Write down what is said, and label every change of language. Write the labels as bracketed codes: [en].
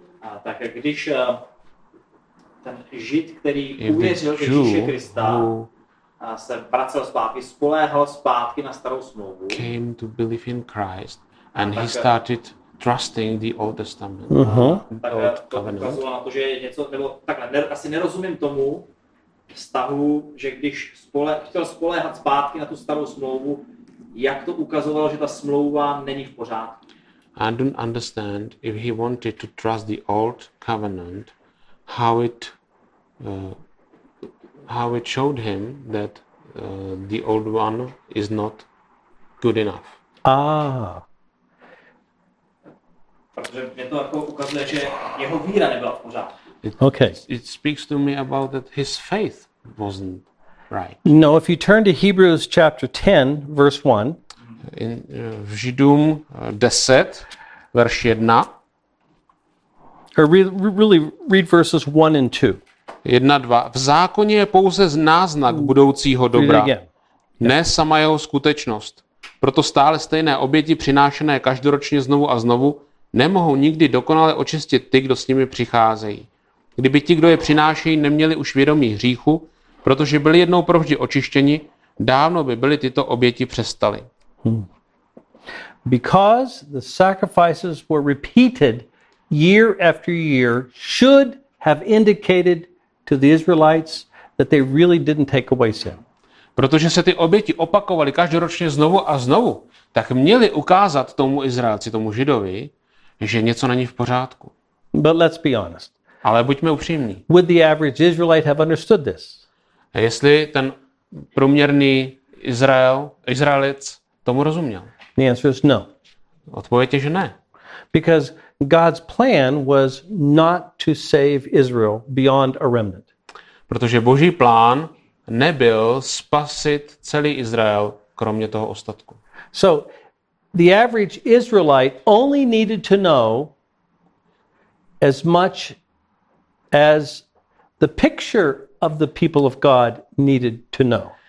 [cs] A tak když ten Žid, který uvěřil Ježíše Krista, se vracel zpátky, spoléhal zpátky na starou smlouvu. [en] Came to believe in Christ and he started trusting the Old Testament. [cs] Tak to ukazuje na to, že něco, nebo takhle, asi nerozumím tomu vztahu, že když chtěl spoléhat zpátky na tu starou smlouvu, jak to ukazovalo, že ta smlouva není v pořádku. [en] I don't understand if he wanted to trust the Old Covenant, how it showed him that the old one is not good enough. Ah. [cs] Protože mě to jako ukazuje, že jeho víra nebyla v pořádku. [en] It speaks to me about that his faith wasn't right. No, if you turn to Hebrews chapter 10, verse 1. [cs] In Židům 10, verš 1. [en] Or really read verses 1 and 2. 1, 2. [cs] V zákoně je pouze náznak budoucího dobra. Ne sama jeho skutečnost. Proto stále stejné oběti přinášené každoročně znovu a znovu nemohou nikdy dokonale očistit ty, kdo s nimi přicházejí. Kdyby ti, kdo je přinášejí, neměli už vědomí hříchu, protože byli jednou provždy očištěni, dávno by byly tyto oběti přestaly. [en] Because the sacrifices were repeated year after year, should have indicated to the Israelites that they really didn't take away sin. [cs] Protože se ty oběti opakovaly každoročně znovu a znovu, tak měli ukázat tomu Izraelci, tomu Židovi, že něco není v pořádku. [en] But let's be honest. [cs] Ale buďme upřímní. [en] Would the average Israelite have understood this? [cs] A jestli ten průměrný Izraelec tomu rozuměl? [en] The answer is no. [cs] Odpověď je, že ne. [en] Because God's plan was not to save Israel beyond a remnant. [cs] Protože Boží plán nebyl spasit celý Izrael kromě toho ostatku. [en] So the average Israelite only needed to know as much as the picture of the people of God needed to know.